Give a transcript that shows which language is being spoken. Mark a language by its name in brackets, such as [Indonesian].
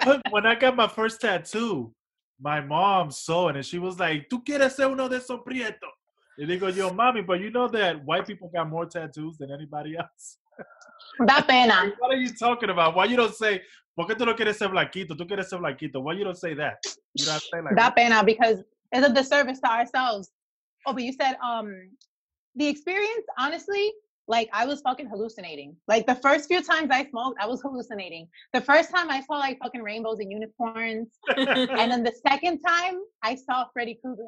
[English] When I got my first tattoo, my mom saw it and she was like, [Spanish] tú quieres ser uno de esos prieto? [English] And they go, yo, mommy, but you know that white people got more tattoos than anybody else. [Spanish] Da pena. [English] What are you talking about? Why you don't say, [Spanish] ¿por qué tú no quieres ser blanquito? ¿Tú quieres ser blanquito? [English] Why you don't say that? You don't say like that pena, because it's a disservice to ourselves. Oh, but you said the experience, honestly. Like, I was fucking hallucinating. Like, the first few times I smoked, I was hallucinating. The first time I saw, like, fucking rainbows and unicorns. And then the second time, I saw Freddy Krueger.